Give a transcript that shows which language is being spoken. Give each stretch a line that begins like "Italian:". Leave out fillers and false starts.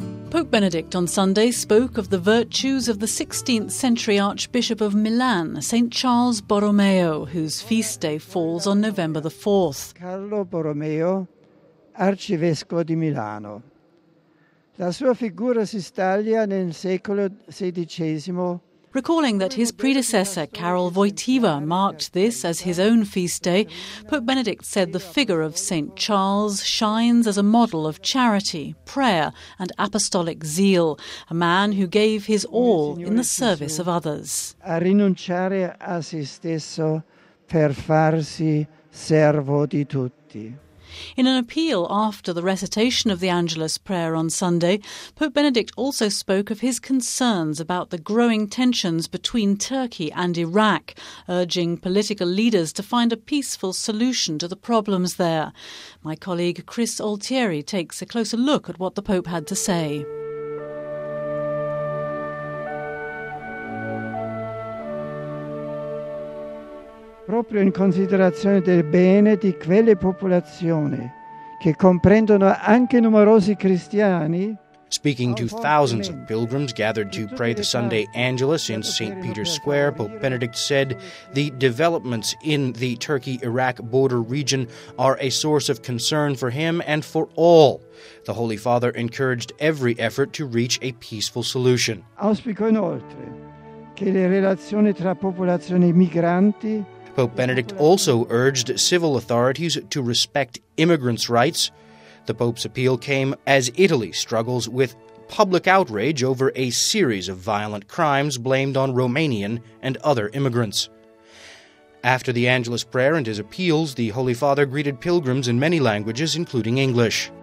English: Pope Benedict on Sunday spoke of the virtues of the 16th century Archbishop of Milan, St. Charles Borromeo, whose feast day falls on November the 4th.
Italian: Carlo Borromeo, Arcivescovo di Milano. La sua figura si staglia nel secolo XVI.
English: Recalling that his predecessor, Carol Wojtyła, marked this as his own feast day, Pope Benedict said the figure of St. Charles shines as a model of charity, prayer, and apostolic zeal, a man who gave his all in the service of others.
Italian: A rinunciare a se stesso per farsi servo di tutti.
English: In an appeal after the recitation of the Angelus prayer on Sunday, Pope Benedict also spoke of his concerns about the growing tensions between Turkey and Iraq, urging political leaders to find a peaceful solution to the problems there. My colleague Chris Altieri takes a closer look at what the Pope had to say.
Italian: Proprio in considerazione del bene di quelle popolazioni che comprendono anche numerosi cristiani.
English: Speaking to thousands of pilgrims gathered to pray the Sunday Angelus in St. Peter's Square, Pope Benedict said the developments in the Turkey-Iraq border region are a source of concern for him and for all. The Holy Father encouraged every effort to reach a peaceful solution.
Italian: Auspico inoltre che le relazioni tra popolazioni migranti.
English: Pope Benedict also urged civil authorities to respect immigrants' rights. The Pope's appeal came as Italy struggles with public outrage over a series of violent crimes blamed on Romanian and other immigrants. After the Angelus prayer and his appeals, the Holy Father greeted pilgrims in many languages, including English.